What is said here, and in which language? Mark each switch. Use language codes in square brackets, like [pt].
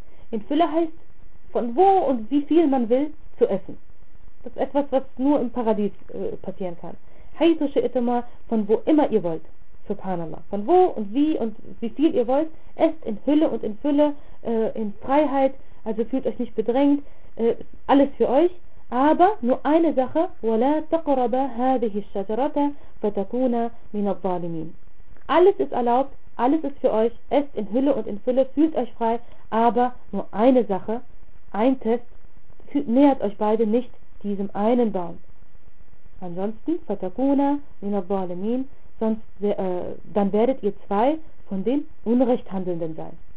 [de] In Fülle heißt, von wo und wie viel man will, zu essen. Das ist etwas, was nur im Paradies passieren kann. [ar] Haythu shi'tuma, [de] von wo immer ihr wollt, subhanallah. Von wo und wie viel ihr wollt, esst in Hülle und in Fülle, in Freiheit, also fühlt euch nicht bedrängt, alles für euch. Aber nur eine Sache: [ar] وَلَا تَقْرَبَ هَذِهِ الشَّجَرَةَ فَتَكُونَ مِنَ الظَّالِمِينَ. [de] Alles ist erlaubt, alles ist für euch, esst in Hülle und in Fülle, fühlt euch frei, aber nur eine Sache, ein Test, nähert euch beide nicht diesem einen Baum. Ansonsten, [ar] fatakuna minabbalamin, [de] dann werdet ihr zwei von den Unrechthandelnden sein.